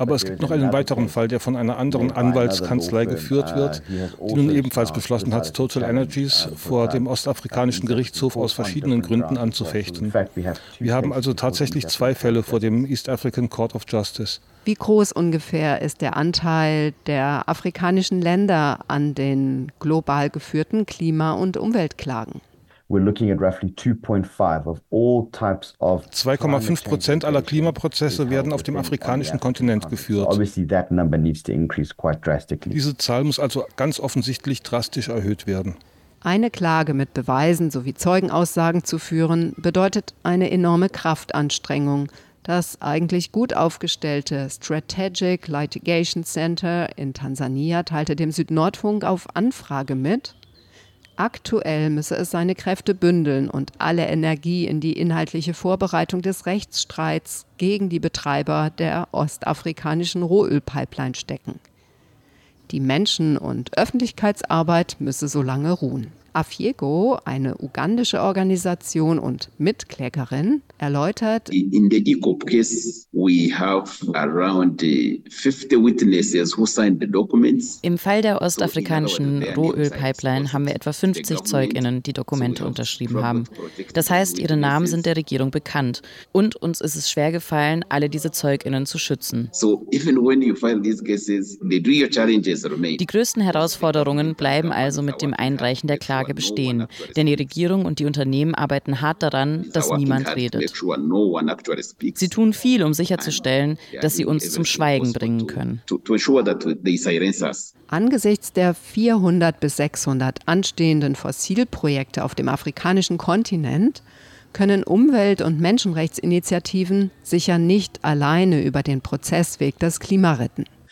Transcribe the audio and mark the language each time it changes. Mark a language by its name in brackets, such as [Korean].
[German] Aber es gibt noch einen weiteren Fall, der von einer anderen Anwaltskanzlei geführt wird, die nun ebenfalls beschlossen hat, Total Energies vor dem Ostafrikanischen Gerichtshof aus verschiedenen Gründen anzufechten. Wir haben also tatsächlich 2 Fälle vor dem East African Court of Justice. Wie groß ungefähr ist der Anteil der afrikanischen Länder an den global geführten Klima- und Umweltklagen? [English] We're looking at roughly 2.5 of all types of [German] 2,5% aller Klimaprozesse werden auf dem afrikanischen Kontinent geführt. [English] Obviously that number needs to increase quite drastically. [German] Diese Zahl muss also ganz offensichtlich drastisch erhöht werden. Eine Klage mit Beweisen sowie Zeugenaussagen zu führen, bedeutet eine enorme Kraftanstrengung. Das eigentlich gut aufgestellte Strategic Litigation Center in Tansania teilte dem Südnordfunk auf Anfrage mit: Aktuell müsse es seine Kräfte bündeln und alle Energie in die inhaltliche Vorbereitung des Rechtsstreits gegen die Betreiber der ostafrikanischen Rohölpipeline stecken. Die Menschen- und Öffentlichkeitsarbeit müsse so lange ruhen. Afyego, eine ugandische Organisation und Mitklägerin, erläutert: [English] In the ECOP case, we have around 50 witnesses who signed the documents. [German] Im Fall der ostafrikanischen Rohölpipeline haben wir etwa 50 ZeugInnen, die Dokumente unterschrieben haben. Das heißt, ihre Namen sind der Regierung bekannt. Und uns ist es schwer gefallen, alle diese ZeugInnen zu schützen. [English] So, even when you file these cases, the real challenges remain. [German] Die größten Herausforderungen bleiben also mit dem Einreichen der Klage bestehen, denn die Regierung und die Unternehmen arbeiten hart daran, dass niemand redet. Sie tun viel, um sicherzustellen, dass sie uns zum Schweigen bringen können. Angesichts der 400 bis 600 anstehenden Fossilprojekte auf dem afrikanischen Kontinent können Umwelt- und Menschenrechtsinitiativen sicher nicht alleine über den Prozessweg das Klima retten.